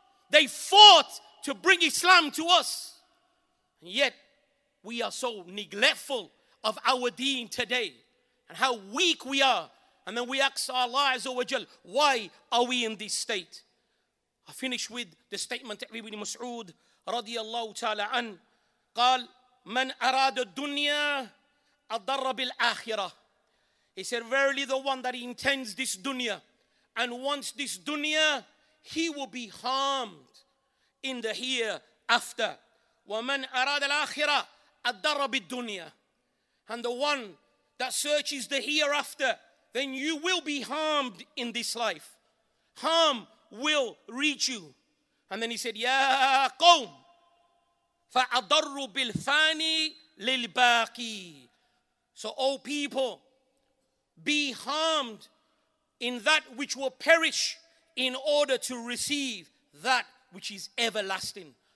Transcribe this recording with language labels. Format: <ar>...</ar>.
<en>They fought to bring Islam to us. And yet, we are so neglectful of our deen today. And how weak we are. And then we ask Allah Azza wa Jal, why are we in this state? I finish with the statement of Ibn Mas'ud radiallahu ta'ala an.</en> <ar>قال من أراد الدنيا أضر بالآخرة.</ar> <en>He said, verily the one that intends this dunya and wants this dunya, he will be harmed in the hereafter.</en> <ar>وَمَنْ أَرَادَ الْآخِرَةَ أَدَّرَّ بِالدُّنْيَا.</ar> <en>And the one that searches the hereafter, then you will be harmed in this life. Harm will reach you. And then he said,</en> <ar>يَا قَوْمْ فَأَدَّرُّ بِالْفَانِي لِلْبَاقِي.</ar> <en>So, O people, be harmed in that which will perish in order to receive that which is everlasting.</en>